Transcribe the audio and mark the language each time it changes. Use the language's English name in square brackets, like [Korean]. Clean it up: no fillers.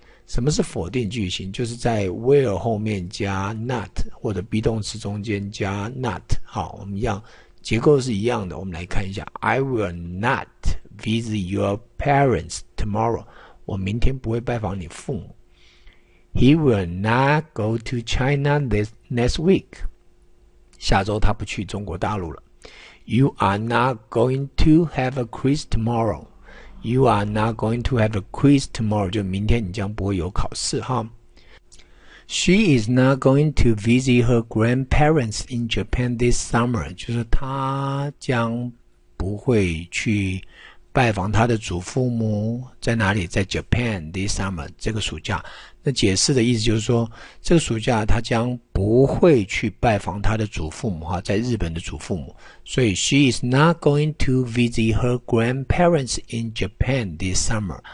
[Chinese] 什么是否定句型？就是在 will 后面加 not，或者 be 动词中间加 not。好，我们一样，结构是一样的。我们来看一下， [English] I will not visit your parents tomorrow。 [Chinese] 我明天不会拜访你父母。 [English] He will not go to China next week。 [Chinese] 下周他不去中国大陆了。 [English] You are not going to have a quiz tomorrow。 You are not going to have a quiz tomorrow， [Chinese] 就明天你将不会有考试哈。 [English] She is not going to visit her grandparents in Japan this summer， [Chinese] 就是她将不会去拜访她的祖父母，在哪里？在 [English] Japan this summer [Chinese] 这个暑假。那解释的意思就是说，这个暑假她将不会去拜访她的祖父母哈，在日本的祖父母。 [English] 所以，She is not going to visit her grandparents in Japan this summer.